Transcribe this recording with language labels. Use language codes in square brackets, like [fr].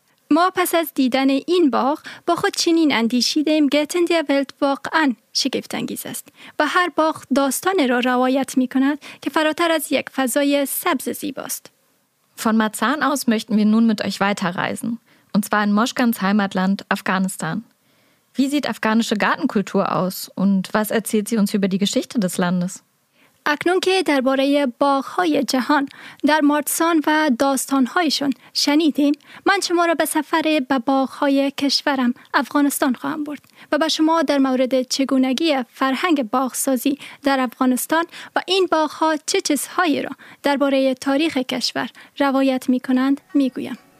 [fa] ما پس از دیدن این باغ با خود چنین اندیشیدیم گرتن در ولت واقعا شگفت انگیز است و هر باغ داستان را روایت می کند که فراتر از یک فضای سبز زیباست. [de] Von Marzahn aus möchten wir nun mit euch weiterreisen, und zwar in Moschkans Heimatland Afghanistan. Wie sieht afghanische Gartenkultur aus und was erzählt sie uns über die Geschichte des Landes? [fa] اکنون که درباره باغ‌های جهان در مارتسان و داستان‌هایشون شنیدیم، من شما را به سفر به باغ‌های کشورم افغانستان خواهم برد و به شما در مورد چگونگی فرهنگ باغ‌سازی در افغانستان و این باغ‌ها چه چیزهایی را درباره تاریخ کشور روایت می‌کنند می‌گویم.